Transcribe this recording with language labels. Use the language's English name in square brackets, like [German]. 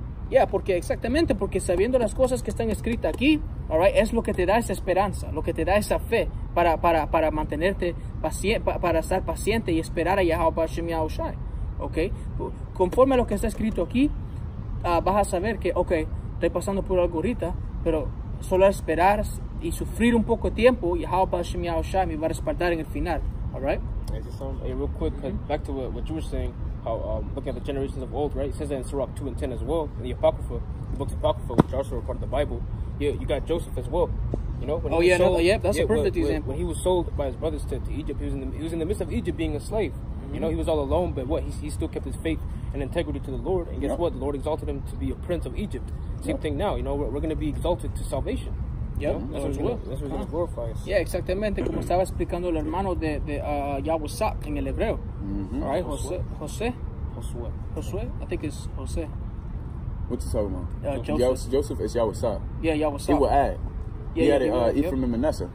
[Spanish] Yeah, porque exactamente, porque sabiendo las cosas que están escritas aquí, all right, es lo que te da esa esperanza, lo que te da esa fe para mantenerte paciente, para estar paciente y esperar a Yahweh para Hashem Yahweh Shai, okay? Conforme a lo que está escrito aquí, vas a saber que, okay, estoy pasando por algo ahorita, pero solo esperar y sufrir un poco de tiempo, Yahweh para Hashem Yahweh Shai me va a respaldar en el final, all right? [English] Hey, real quick, mm-hmm. Back to what you were saying. How looking at the generations of old, right? It says that in Sirach 2 and 10 as well, in the Apocrypha, the books of Apocrypha, which are also a part of the Bible. Yeah, you got Joseph as well. You know, when that's a perfect example. When he was sold by his brothers to Egypt, he was in the midst of Egypt being a slave. Mm-hmm. You know, he was all alone, but what he still kept his faith and integrity to the Lord. And guess what? The Lord exalted him to be a prince of Egypt. Same thing now. You know, we're going to be exalted to salvation. Yeah, that's what's going to glorify us. [Spanish] Yeah, exactamente, como estaba explicando el hermano de Yahusak en el hebreo. Mm-hmm. [English] All right, Josué. I think it's Josué. What's he talking about? Joseph is Yahusak. Yeah, Yahusak. He will add. He had Ephraim and Manasseh.